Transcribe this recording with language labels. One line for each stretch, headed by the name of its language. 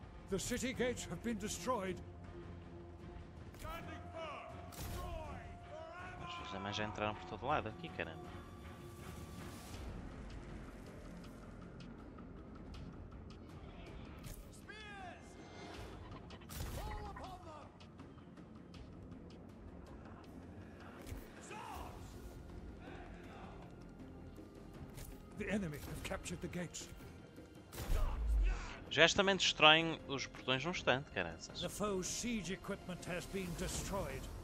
English: The city gates have been destroyed.
Portuguese: As filhas da mãe já entraram por todo lado aqui, caramba.
English: The enemy have captured the gates.
Portuguese: Os gajos também destroem os portões num instante, caraças.
English: The foe's siege equipment has been destroyed.